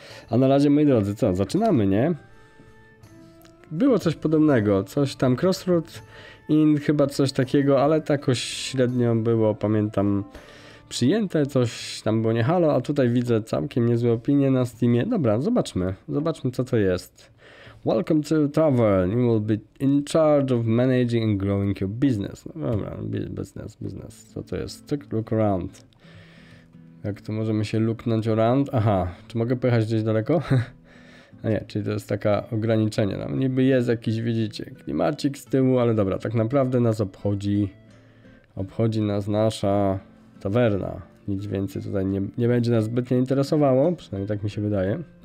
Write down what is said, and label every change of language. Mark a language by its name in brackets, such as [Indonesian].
[Polish] A na razie, moi drodzy, co, zaczynamy, nie? Było coś podobnego, coś tam Crossroad Inn, chyba coś takiego, ale to jakoś średnio było, pamiętam, przyjęte, coś tam było nie halo, a tutaj widzę całkiem niezłe opinie na Steamie. Dobra, zobaczmy, co to jest. [English] Welcome to the tavern, you will be in charge of managing and growing your business. [Polish] Dobra, business, co to jest? [English] Take a look around. [Polish] Jak to możemy się looknąć around? Aha, czy mogę pojechać gdzieś daleko? A nie, czyli to jest taka ograniczenie. No, niby jest jakiś, widzicie, klimacik z tyłu, ale dobra, tak naprawdę nas obchodzi. Obchodzi nas nasza tawerna. Nic więcej tutaj nie będzie nas zbytnio interesowało, przynajmniej tak mi się wydaje.